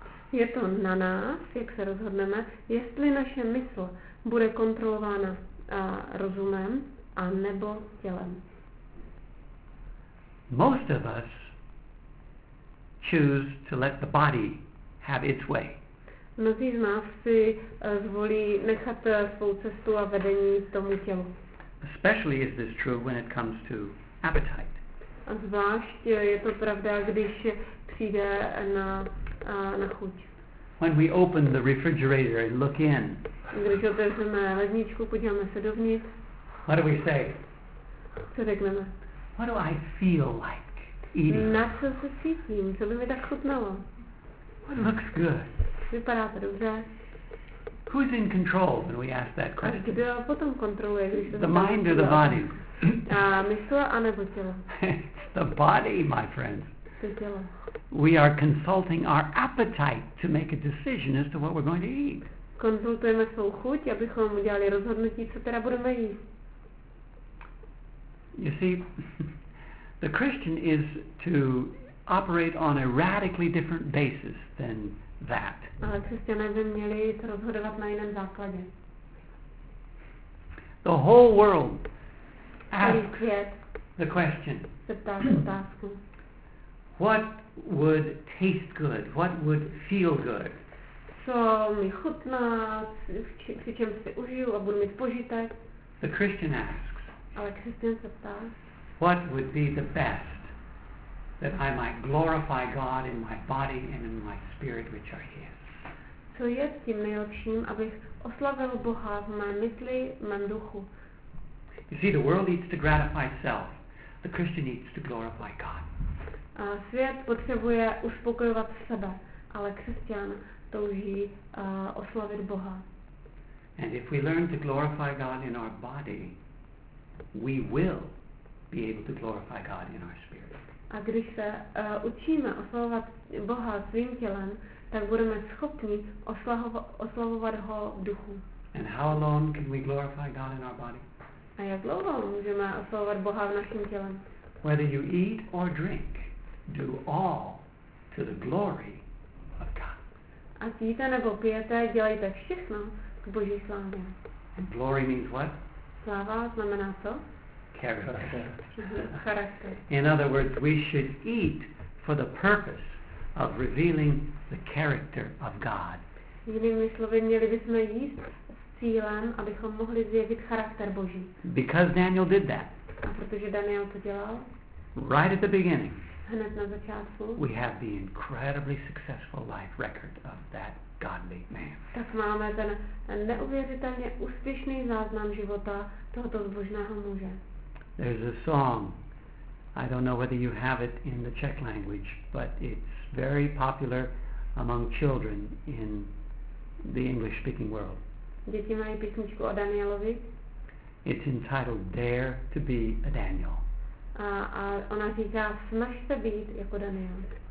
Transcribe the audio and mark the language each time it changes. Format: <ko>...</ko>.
<cs>Je to na nás, jak se rozhodneme, jestli naše mysl bude kontrolována rozumem a nebo tělem.</cs> <en>Most of us choose to let the body have its way.</en> <cs>Mnozí z nás si zvolí nechat svou cestu a vedení tomu tělu.</cs> <en>Especially is this true when it comes to appetite.</en> <cs>A zvlášť je to pravda, když přijde na na chuť.</cs> <en>When we open the refrigerator and look in.</en> <cs>Když otevřeme ledničku, podíváme se dovnitř.</cs> <en>What do we say?</en> <cs>Co řekneme?</cs> <en>What do I feel like? Eating.</en> <cs>Na co se cítím? Co by mi tak chutnalo?</cs> <en>What looks good?</en> <cs>Vypadá to dobře.</cs> <en>Who's in control when we ask that question?</en> <cs>A kdo potom kontroluje, když</cs> <en>the mind or the body?</en> <cs>A mysl a nebo tělo?</cs> <en>The body, my friends.</en> <cs>To tělo.</cs> <en>We are consulting our appetite to make a decision as to what we're going to eat.</en> <cs>Konzultujeme svou chuť, abychom udělali rozhodnutí, co teda budeme jíst.</cs> <en>You see, the Christian is to operate on a radically different basis than that.</en> <cs>Ale křesťané by měli to rozhodovat na jiném základě.</cs> <en>The whole world asks the question.</en> <cs>Otázku.</cs> <en>What would taste good? What would feel good?</en> <cs>Co mi chutná, při čem si užiju a budu mít požitek.</cs> <en>The Christian asks.</en> <cs>Ale křesťan se ptá.</cs> <en>What would be the best that I might glorify God in my body and in my spirit which are His?</en> <cs>Co je s tím nejlepším, abych oslavil Boha v mé mysli, v mém duchu?</cs> <en>You see, the world needs to gratify self. The Christian needs to glorify God.</en> <cs>A svět potřebuje uspokojovat sebe, ale křesťan touží oslavit Boha.</cs> <en>And if we learn to glorify God in our body, we will be able to glorify God in our spirit.</en> <cs>A když se učíme oslavovat Boha svým tělem, tak budeme schopni oslavovat ho v duchu.</cs> <en>And how long can we glorify God in our body?</en> <cs>A jak dlouho můžeme oslavovat Boha v našem těle?</cs> <en>Whether you eat or drink, do all to the glory of God.</en> <cs>Ať jíte nebo pijete, dělejte všechno k Boží slávě.</cs> <en>And glory means what?</en> <cs>Sláva znamená co?</cs> <en>character. In other words, we should eat for the purpose of revealing the character of God.</en> <cs>Jinými slovy, měli bychom jíst s cílem, abychom mohli zjevit charakter Boží.</cs> <en>Because Daniel did that.</en> <cs>A protože Daniel to dělal.</cs> <en>Right at the beginning.</en> <cs>Hned na začátku.</cs> <en>We have the incredibly successful life record of that godly man.</en> <cs>Tak máme ten neuvěřitelně úspěšný záznam života tohoto zbožného muže.</cs> <en>There's a song. I don't know whether you have it in the Czech language, but it's very popular among children in the English-speaking world.</en> <cs>Děti mají písničku o Danielovi.</cs> <en>It's entitled "Dare to Be a Daniel."</en> <cs>A ona říká, snaž se být jako Daniel.</cs>